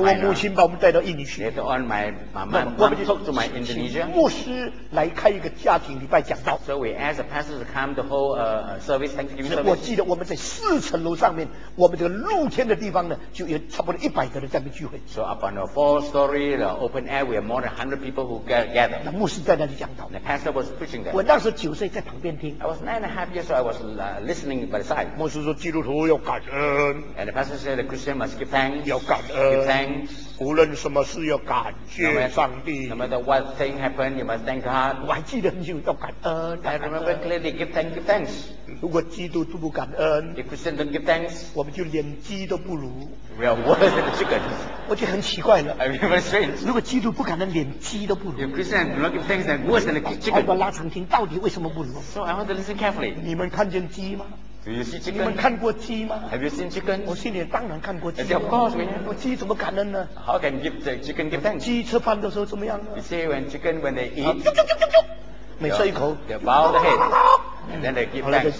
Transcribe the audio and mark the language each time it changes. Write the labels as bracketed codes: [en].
[zh] 后来我母亲把我们带到印尼去。 [en] Later on, my mom took to my Indonesia. [zh] 牧师来开一个家庭礼拜讲道。 [en] So we asked the pastor to come to hold a service, Thanksgiving service. [zh] 我记得我们在四层楼上面，我们这个露天的地方呢，就有差不多100个人在那边聚会。 [en] So up on the fourth story, the open air, we have more than 100 people who gather. [zh] 那牧师在那里讲道。 [en] The pastor was preaching there. [zh] 我当时九岁，在旁边听。 [en] I was 9.5 years old. I was listening by the side. [zh] 牧师说，基督徒要感恩。 [en] And the pastor said the Christian must give thanks. [zh] 要感恩。 [en] Give thanks. [zh] 无论什么事要感谢上帝。 [en] No matter what thing happened, you must thank God. [zh] 我还记得你要感恩。 [en] I remember clearly give thanks, give thanks. [zh] 如果基督徒不感恩， [en] if Christian don't give thanks, [zh] 我们就连鸡都不如。 [en] We are worse than the chickens. [zh] 我就很奇怪了。 [en] I remember strange. [zh] 如果基督不感恩，连鸡都不如。 [en] If Christian do not give thanks, then worse than the chicken. [zh] 我要拉长听，到底为什么不如？ [en] So I want to listen carefully. [zh] 你们看见鸡吗？你们看过鸡吗？ [en] Have you seen chicken? [zh] 我心里当然看过鸡。 [en] Of course, we [zh] have. 鸡怎么感恩呢？ [en] How can give the chicken give thanks? [zh] 鸡吃饭的时候怎么样呢？ [en] You see when chicken when they eat, [zh] 每吃一口， [en] they bow the head, and then they give thanks.